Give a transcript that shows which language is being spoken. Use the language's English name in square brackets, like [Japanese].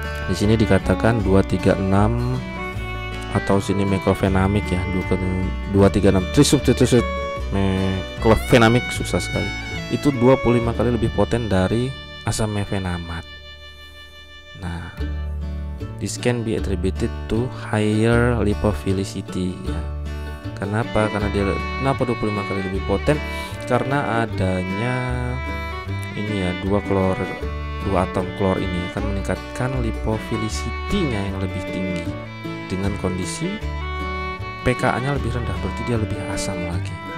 [Indonesian] Di sini dikatakan 236 atau sini meclofenamic ya, 236 trisubstitution meclofenamic susah sekali. Itu 25 kali lebih poten dari asam mefenamat. [English] Nah, this can be attributed to higher lipophilicity ya. [Indonesian] Kenapa? Kenapa 25 kali lebih poten? Karena adanya ini ya dua atom klor ini akan meningkatkan lipophilicity-nya yang lebih tinggi dengan kondisi pKa-nya lebih rendah berarti dia lebih asam lagi.